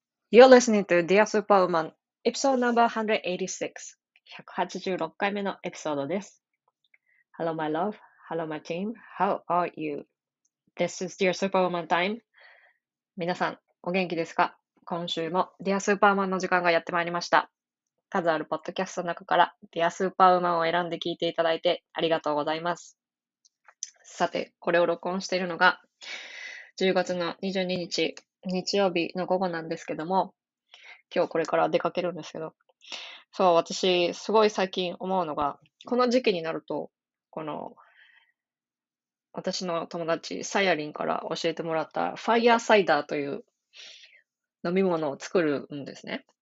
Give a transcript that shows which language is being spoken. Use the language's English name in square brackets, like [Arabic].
[English] You're listening to Dear Superwoman, episode number 186. [Japanese] 186回目のエピソードです。 [English] Hello, my love. Hello, my team. How are you? This is Dear Superwoman time. [Japanese] 皆さん、お元気ですか？今週も Dear Superwoman の時間がやってまいりました。数あるポッドキャストの中から Dear Superwoman を選んで聞いていただいてありがとうございます。さて、これを録音しているのが10月の22日。日曜日の午後なんですけども、今日これから出かけるんですけど、そう、私、すごい最近思うのが、この時期になると、私の友達、サヤリンから教えてもらった、ファイヤーサイダーという飲み物を作るんですね。